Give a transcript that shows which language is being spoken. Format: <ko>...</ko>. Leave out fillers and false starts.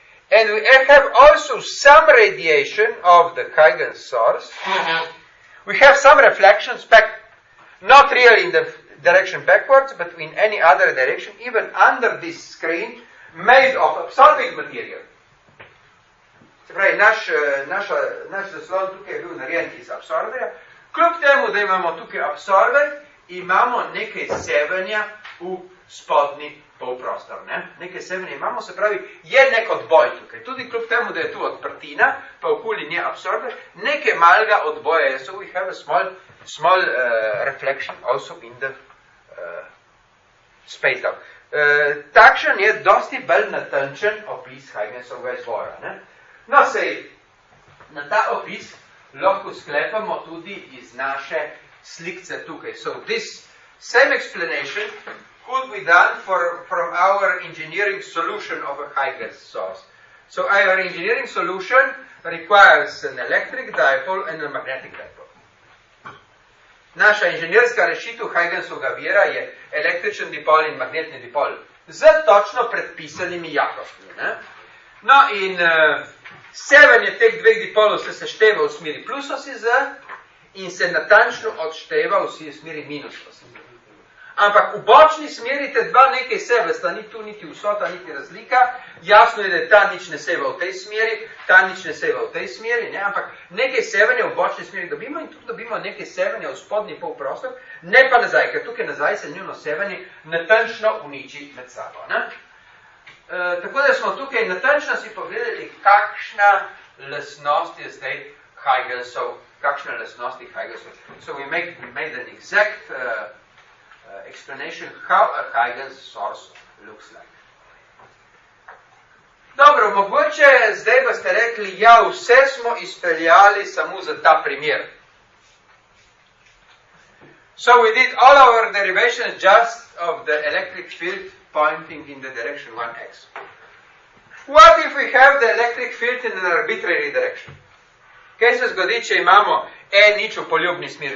<en>And we have also some radiation of the Huygens source, We have some reflections back, not really in the direction backwards, but in any other direction, even under this screen, made of absorbing material.</en> <sl>Se pravi, naš zaslon tukaj je bil narejen iz absorberja. Kljub temu, da imamo tukaj absorber, imamo nekaj sevanja v spodni polprostor. Ne? Nekaj sevanja imamo, se pravi, je nek odboj tukaj. Tudi kljub temu, da je tu odprtina, pa okoli nje absorber, nekaj malega odboja je.</sl> <en>So we have a small reflection also in the space dog.</en> <sl>Takšen je dosti bolj natančen opis Huygensovega izvora. Ne? No, sej, na ta opis lahko sklepamo tudi iz naše slikce tukaj.</sl> <en>So this same explanation could be done from our engineering solution of a Huygens source. So our engineering solution requires an electric dipole and a magnetic dipole.</en> <sl>Naša inženjerska rešitev Huygensovega vira je električen dipol in magnetni dipol z točno predpisanimi jakostmi. Ne? No in sevanje teh dveh dipolov se sešteva v smeri plus osi z in se natančno odšteva v smeri minus osi. Ampak v bočni smeri te dva nekaj sevesta, ni tu niti vsota, niti razlika. Jasno je, da je ta nič ne seva v tej smeri, ta nič ne seva v tej smeri, ne? Ampak nekaj sevanja v bočni smeri dobimo in tu dobimo nekaj sevanja v spodnji polprostor, ne pa nazaj, ker tukaj nazaj se njuno sevanje natančno uniči med sabo. Ne? Tako da smo tukaj natančno si pogledali, kakšna lesnost je zdaj Huygensov, kakšna lesnost je Huygensov.</sl> <en>So we made an exact explanation how a Huygens source looks like.</en> <sl>Dobro, mogoče zdaj boste rekli, ja, vse smo izpeljali samo za ta primer.</sl> <en>So we did all our derivations just of the electric field pointing in the direction 1x. What if we have the electric field in an arbitrary direction?</en> <sl>Kaj se zgodi, če imamo E nič v poljubni smeri?</sl>